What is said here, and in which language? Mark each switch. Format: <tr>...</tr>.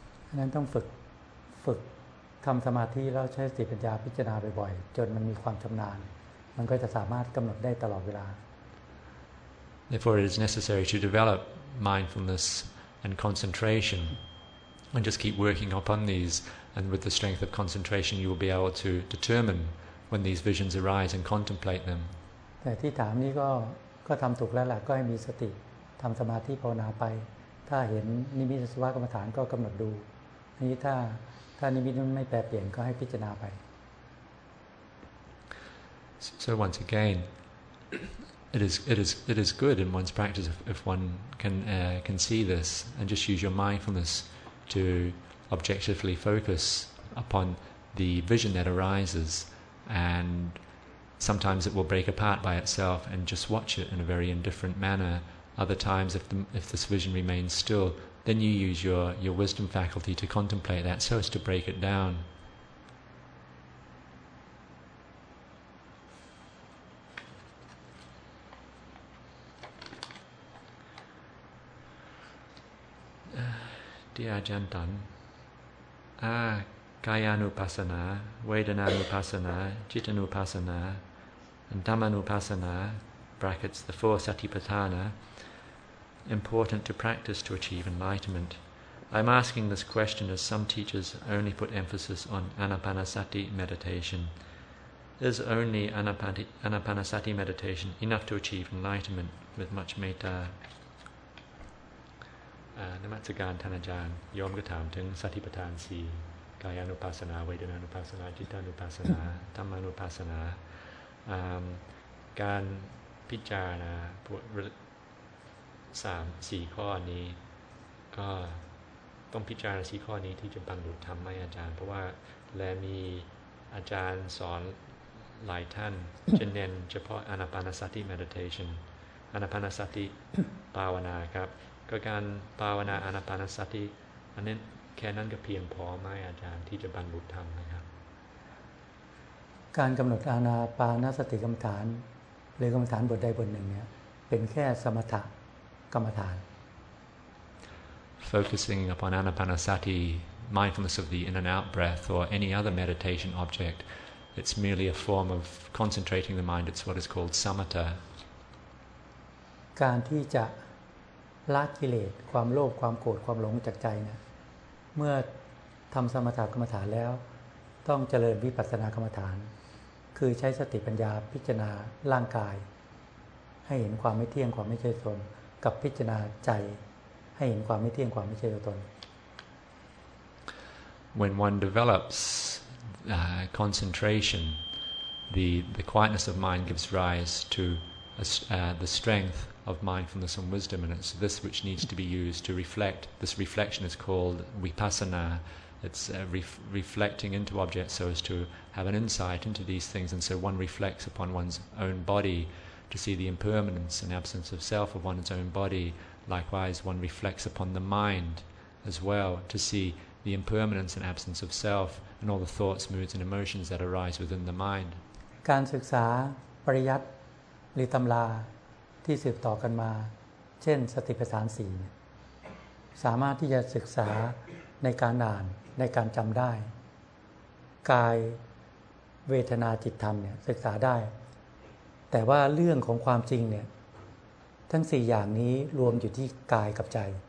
<en>And then, don't</en> <th>ฝึกทำสมาธิแล้วใช้สติปัญญาพิจารณาบ่อยๆจนมันมีความชำนาญมันก็จะสามารถกำหนดได้ตลอดเวลา</th> <en>Therefore, it is necessary to develop mindfulness and concentration, and just keep working upon these. And with the strength of concentration, you will be able to determine when these visions arise and contemplate them.</en> <th>แต่ที่ถามนี่ก็ทำถูกแล้วล่ะก็ให้มีสติทำสมาธิภาวนาไปถ้าเห็นนิมิตสุภกรรมฐานก็กำหนดดูอันนี้ถ้านิมิตมันไม่แปรเปลี่ยนก็ให้พิจารณาไป</th> <en>So once again it is good in one's practice if one can see this and just use your mindfulness to objectively focus upon the vision that arises and sometimes it will break apart by itself and just watch it in a very indifferent mannerOther times, if this vision remains still, then you use your wisdom faculty to contemplate that, so as to break it down. Dear Ajahn Tan, กายานุปัสสนาเวทนานุปัสสนาจิตานุปัสสนาธรรมานุปัสสนา brackets the four satipatthana important to practice to achieve enlightenment. I'm asking this question as some teachers only put emphasis on anapanasati meditation. Is only anapanasati meditation enough to achieve enlightenment with much metta?</en> <th>นมัสการท่านอาจารย์โยมก็ถามถึงสติปัฏฐาน4กายานุปัสสนาเวทนานุปัสสนาจิตานุปัสสนาธรรมานุปัสสนา การพิจารณาพวก3 4ข้อนี้ก็ต้องพิจารณา4ข้อนี้ที่จะบรรลุธรรมให้อาจารย์เพราะว่าแลมีอาจารย์สอนหลายท่านจะเน้นเฉพาะอนาปานสติเมดิเทชั่นอนาปานสติภาวนาครับก็การภาวนาอนาปานสติอันนั้นแค่นั้นก็เพียงพอไหมอาจารย์ที่จะบรรลุธรรมนะครับ การกำหนดอนาปานสติกรรมฐานหรือกรรมฐานบทใดบทหนึ่งเนี่ยเป็นแค่สมถะกรรมฐาน</th> <en>focusing upon anapanasati mindfulness of the in and out breath or any other meditation object it's merely a form of concentrating the mind it's what is called samatha</en> <th>การที่จะละกิเลสความโลภความโกรธความหลงจากใจเนี่ยเมื่อทำสมถะกรรมฐานแล้วต้องเจริญวิปัสสนากรรมฐานคือใช้สติปัญญาพิจารณาร่างกายให้เห็นความไม่เที่ยงความไม่ใช่ตนกับพิจารณาใจให้เห็นความไม่เที่ยงความไม่ใช่ตน</th> <en>When one develops concentration the quietness of mind gives rise to the strengthof mindfulness and wisdom and it's this which needs to be used to reflect this reflection is called vipassana it's reflecting into objects so as to have an insight into these things and so one reflects upon one's own body to see the impermanence and absence of self of one's own body likewise one reflects upon the mind as well to see the impermanence and absence of self and all the thoughts moods and emotions that arise within the mind</en> <th>การศึกษาปริยัติหรือตำราที่สืบต่อกันมาเช่นสติปัฏฐาน4สามารถที่จะศึกษาในการอ่านในการจำได้กายเวทนาจิตธรรมเนี่ยศึกษาได้แต่ว่าเรื่องของความจริงเนี่ยทั้ง4อย่างนี้รวมอยู่ที่กายกับใจ</th>